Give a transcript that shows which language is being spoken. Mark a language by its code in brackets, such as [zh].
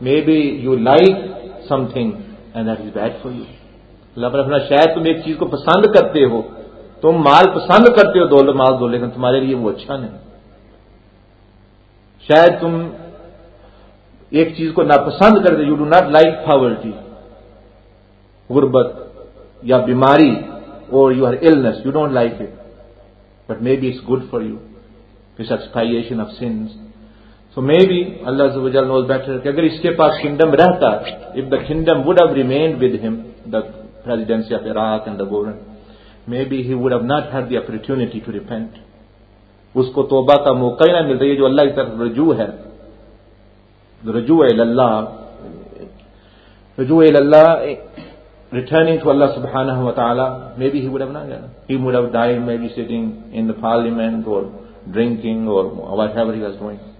[en] Maybe you like something and that is bad for you. [ur] اللہ پر اپنا شاید تم ایک چیز کو پسند کرتے ہو, تم مال پسند کرتے ہو دولت مال دولت, لیکن تمہارے لیے وہ اچھا نہیں. شاید تم ایک چیز کو ناپسند کرتے ہو, [en] you do not like poverty, [ur] غربت یا بیماری, [en] or your illness, you don't like it, but maybe it's good for you, this expiation of sins. So maybe Allah Azza wa Jalla knows better. [ur] کہ اگر اس کے پاس kingdom رہتا, [en] if the kingdom would have remained with him, the presidency of Iraq and the government, maybe he would have not had the opportunity to repent. [ur] اس کو توبہ کا موقع نہ مل رہی ہے جو اللہ کی طرف رجوع ہے, رجوع الاللہ, [en] returning to Allah subhanahu wa ta'ala, maybe he would have not done. He would have died maybe sitting in the parliament or drinking or whatever he was doing.